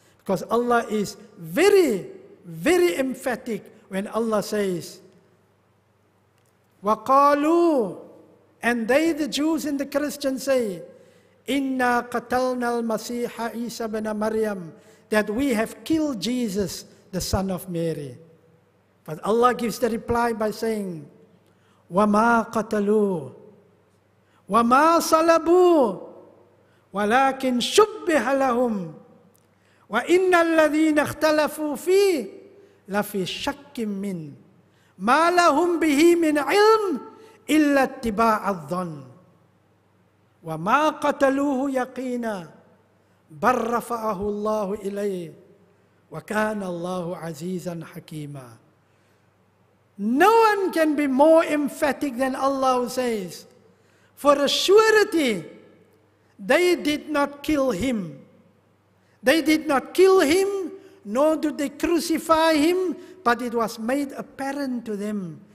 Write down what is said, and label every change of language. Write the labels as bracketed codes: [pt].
[en] Because Allah is very, very emphatic when Allah says, [ar] وَقَالُوا, [en] and they, the Jews and the Christians, say, [ar] إِنَّا قَتَلْنَا الْمَسِيحَ عِيسَى بْنَ مَرْيَمَ, [en] that we have killed Jesus, the son of Mary. But Allah gives the reply by saying, [ar] وَمَا قَتَلُوا, وَمَا صَلَبُوا, وَلَكِنْ شُبِّهَ لَهُمْ, وَإِنَّ الَّذِينَ اخْتَلَفُوا فِيهِ لَفِي شَكٍّ مِّنْ مَا لَهُمْ بِهِ مِنْ عِلْمٍ إِلَّا اتِّبَاعَ الظَّنِّ وَمَا قَتَلُوهُ يَقِينًا بَلْ رَفَعَهُ اللَّهُ إِلَيْهِ وَكَانَ اللَّهُ عَزِيزًا حَكِيمًا. [en] No one can be more emphatic than Allah, who says, for a surety, they did not kill him. They did not kill him, nor did they crucify him, but it was made apparent to them.